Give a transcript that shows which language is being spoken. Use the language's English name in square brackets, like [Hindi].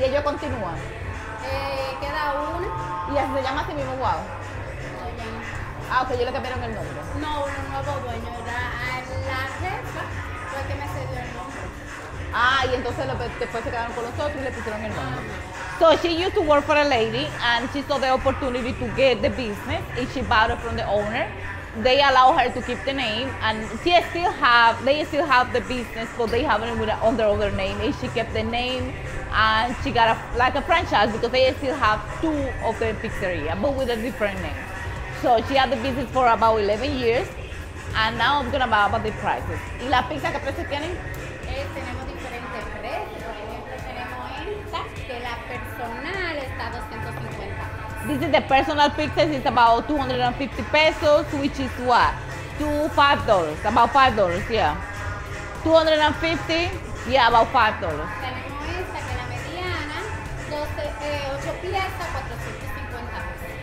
[Spanish] ¿Y ellos continúan? Queda una. ¿Y así se llama así mismo, wow? No, ya no. Ah, ok, yo le cambiaron el nombre. No, un nuevo dueño, la jefa fue que me cedió el nombre. Ah, y entonces después se quedaron con los otros y le pusieron el nombre. [English] So she used to work for a lady and she saw the opportunity to get the business and she bought it from the owner. They allow her to keep the name and they still have the business, but they have it with under other name, and she kept the name and she got a franchise because they still have two of the pizzeria but with a different name. So she had the business for about 11 years and now I'm gonna talk about the prices. [Spanish] ¿Y la pizza qué precio tienen? Tenemos diferentes precios. Por ejemplo, tenemos esta que la personal está $250. [English] This is the personal pizza, it's about $250, which is what? $5, about $5, yeah. $250, yeah, about $5. [Spanish] Tenemos esta que la mediana, 8 piezas, $450.